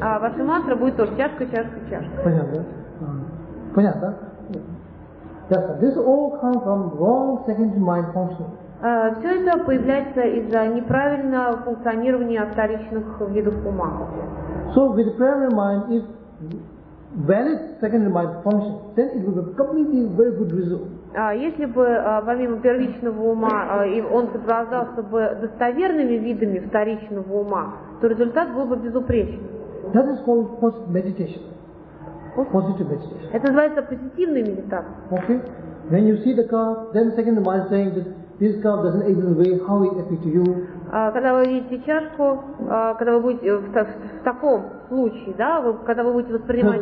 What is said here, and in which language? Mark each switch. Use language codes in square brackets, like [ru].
[ru] А ваша мантра будет тоже чашка, чашка, чашка. Понятно? Понятно? [en] Yes, this all comes from wrong secondary mind function. [ru] Все это появляется из-за неправильного функционирования вторичных видов ума. [en] So with primary mind, if valid secondary mind function, then it will be completely very good result. [ru] Если бы помимо первичного ума он сопровождался бы достоверными видами вторичного ума, то результат был бы безупречен. [en] That is called post-meditation. Positive meditation. [ru] Это называется позитивная медитация. [en] Okay. When you see the car, then second mind saying that this car doesn't even weigh how it affects you. [ru] Когда вы видите чашку, когда вы будете в таком случае, да, когда вы будете воспринимать